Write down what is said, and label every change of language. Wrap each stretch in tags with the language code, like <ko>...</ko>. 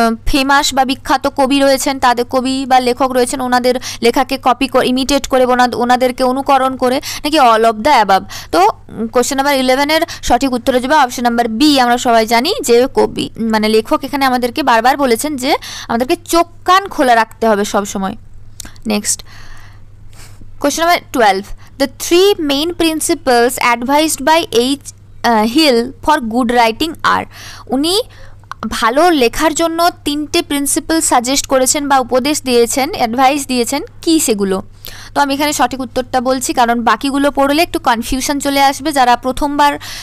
<bn>Famous বা বিখ্যাত কবি রয়েছেন তাদের, কবি বা লেখক রয়েছেন ওনাদের লেখাকে কপি ইমিটেট করে ওনাদেরকে অনুকরণ করে, নাকি</bn> <en>all of the above,</en> <bn>তো কোশ্চেন নাম্বার 11 সঠিক উত্তর হয়ে যাবে অপশন নাম্বার বি, আমরা সবাই জানি যে কবি মানে লেখক এখানে আমাদেরকে বারবার বলেছেন যে আমাদেরকে চোখ কান খোলা রাখতে হবে সবসময়।</bn> <en>Next question number 12, The three main principles advised by H. Hill for good writing are,</en> <bn>উনি ভালো লেখার জন্য তিনটে প্রিন্সিপাল সাজেস্ট করেছেন বা উপদেশ দিয়েছেন, অ্যাডভাইস দিয়েছেন, কী সেগুলো, তো আমি এখানে সঠিক উত্তরটা বলছি কারণ বাকিগুলো পড়লে একটু কনফিউশন চলে আসবে, যারা প্রথমবার</bn>